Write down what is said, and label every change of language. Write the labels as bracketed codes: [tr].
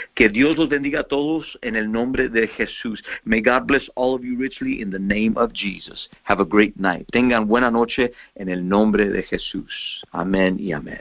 [es] Que Dios los bendiga a todos en el nombre de Jesús. [en] May God bless all of you richly in the name of Jesus. Have a great night. [es] Tengan buena noche en el nombre de Jesús. Amén y amén.